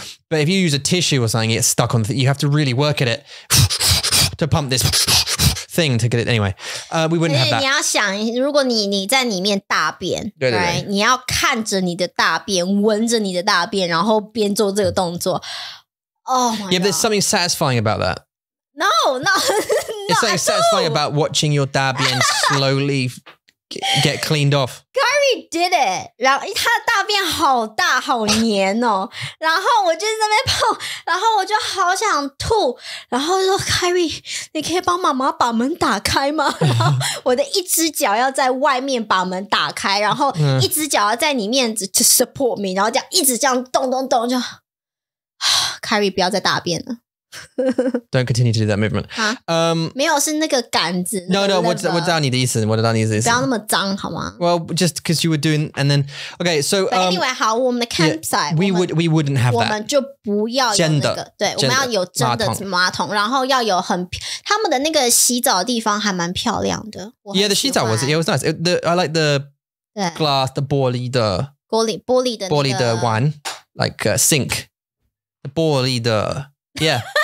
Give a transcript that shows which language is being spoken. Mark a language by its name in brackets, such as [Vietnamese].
[English] But if you use a tissue or something, it's stuck on. You have to really work at it to pump this. thing to get it anyway. We wouldn't have that. [Chinese] 你要想如果你在里面大便对对对、 [English] right? [Chinese] 你要看着你的大便闻着你的大便然后边做这个动作。 [English] Oh my God. Yeah, there's something satisfying about that. No, no. It's something satisfying about watching your 大便 slowly get cleaned off. Gary did it. [Chinese] 然后他的大便好大好黏哦。然后我就在那边泡然后我就好想吐。然后说 Gary, 你可以帮妈妈把门打开吗然后我的一只脚要在外面把门打开然后一只脚要在里面 [English] to support me, [Chinese] 然后这样一直这样动动动就 Gary 不要再大便了。 [English] Don't continue to do that movement. [Chinese] 啊、没有是那个杆子。 [English] No, no, [Chinese] 我知道你的意思，我知道你的意思。不要那么脏好吗 [English] ？Well, just because you were doing, and then, okay, so. But anyway, [Chinese] 好，我们的 [English] campsite, we wouldn't have that. [Chinese] 我们就不要有那个，对，我们要有真的马桶，然后要有很，他们的那个洗澡的地方还蛮漂亮的。 [English] Yeah, the 洗澡 was nice. I like the glass, the [Chinese] 玻璃的碗 [English] like sink, the 玻璃的 yeah.